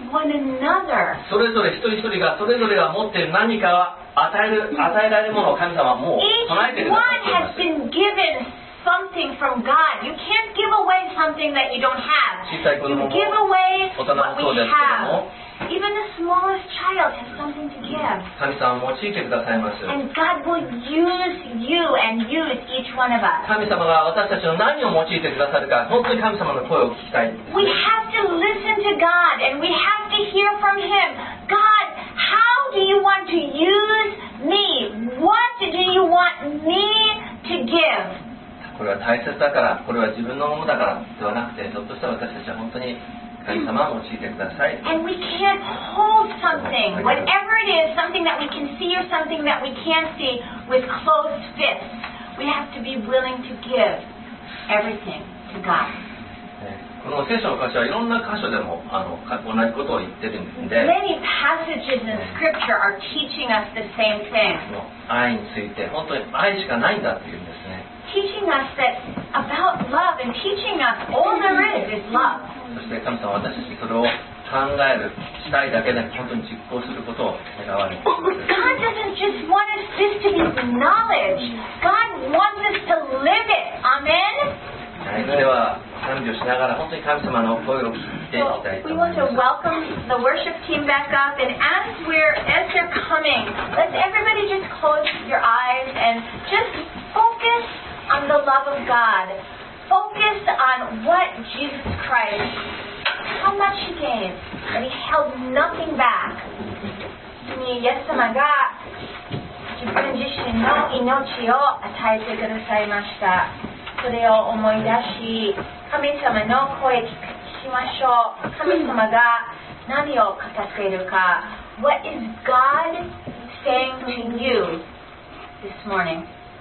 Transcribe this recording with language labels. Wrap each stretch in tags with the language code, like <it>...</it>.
<ja>それぞれ一人一人がそれぞれが持っている何かは与えられるものを神様はもう備えているんです。</ja> <en>Each one has been given something from God. You can't give away something that you don't have.</en> <ja>小さい子供も大人もそうですけども</ja> <en>Even the smallest child has something to give.</en> <ja>神様は用いてくださいます。</ja> <en>And God will use you and use each one of us.</en> <ja>神様が私たちの何を用いてくださるか、本当に神様の声を聞きたい。</ja> <en>We have to listen to God and we have to hear from Him. God, how do you want to use me? What do you want me to give?</en> <ja>これは大切だから、これは自分のものだからではなくて、ひょっとしたら私たちは本当に神様を用いてください。</ja> <en>And we can't hold something, whatever it is, something that we can see or something that we can't see with closed fists. We have to be willing to give everything to God.</en> <ja>この聖書の箇所はいろんな箇所でも同じことを言ってるんで。</ja> <en>Many passages in scripture are teaching us the same thing.</en> <ja>愛について、本当に愛しかないんだっていうんですね。</ja> <en>Teaching us that about love and teaching us all there is love.</en> <ja>そして神様は私たちにそれを考えるしたいだけで本当に実行することを願われる。</ja> <en>God doesn't just want us just to be knowledge. God wants us to live it. Amen.</en> <ja>では賛美をしながら本当に神様の声を聞いていきたいと思います。</ja> <en>So, we want to welcome the worship team back up, and as they're coming, let everybody just close your eyes and just focus on the love of God. Focus on what Jesus Christ. How much he gave, and he held nothing back.</en> <ja>イエス様が自分自身の命を与えてくださいました。それを思い出し、神様の声を聞きましょう。神様が何を語っているか。</ja> <en>What is God saying to you this morning?</en>